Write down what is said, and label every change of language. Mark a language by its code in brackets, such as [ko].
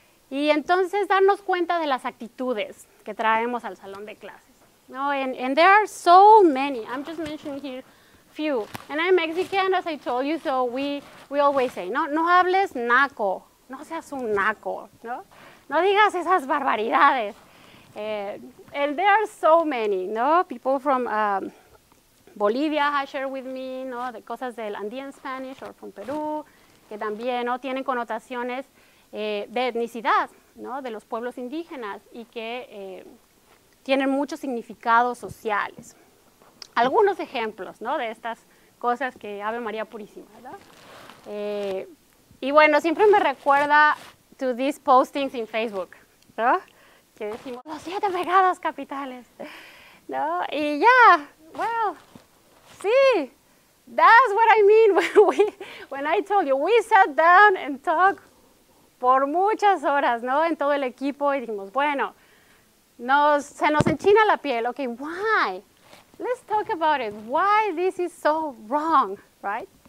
[es] Y entonces darnos cuenta de las actitudes que traemos al salón de clases, ¿no? [en] And there are so many. I'm just mentioning here few. And I'm Mexican, as I told you, so we always say, ¿no? [es] No hables naco. No seas un naco, ¿no? No digas esas barbaridades. [en] And there are so many, no? People from Bolivia have shared with me, no? The [es] cosas del [en] Andean Spanish or from Peru, [es] que también, no? Tienen connotaciones de etnicidad, no? De los pueblos indígenas y que tienen muchos significados sociales. Algunos ejemplos, no? De estas cosas que Ave María Purísima, ¿verdad? Y bueno, siempre me recuerda [en] to these postings in Facebook, [es] ¿no? Que decimos, los siete pecados capitales, ¿no? Y ya, [en] yeah, well, sí, that's what I mean when I told you, we sat down and talked [es] por muchas horas, ¿no? En todo el equipo y dijimos, bueno, se nos enchina la piel, [en] okay, why? Let's talk about it, why this is so wrong, right?